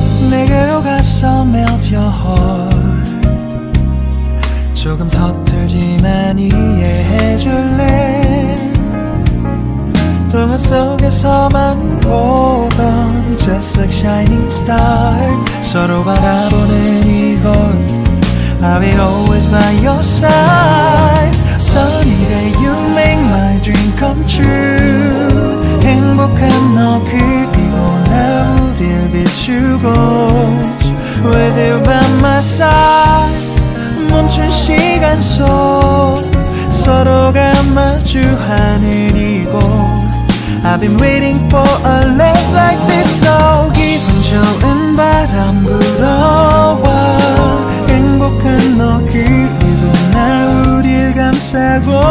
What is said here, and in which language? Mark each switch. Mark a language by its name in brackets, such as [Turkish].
[Korean] 내게로 가서 [English] melt your heart. [Korean] 조금 서툴지만 이해해줄래. 동화 속에서만 보던 [English] just like shining star. [Korean] 서로 바라보는 이곳 [English] I'll be always by your side. Sunny day you make my dream come true. [Korean] 행복한 너 그리고 나 우릴 비추고. [English] With you by my side, [Korean] 멈춘 시간 속 서로가 마주하는 이곳. [English] I've been waiting for a love like this. [Korean] Oh, 기분 좋은 바람 불어와. 행복한 너 그리고 나 우릴 감싸고.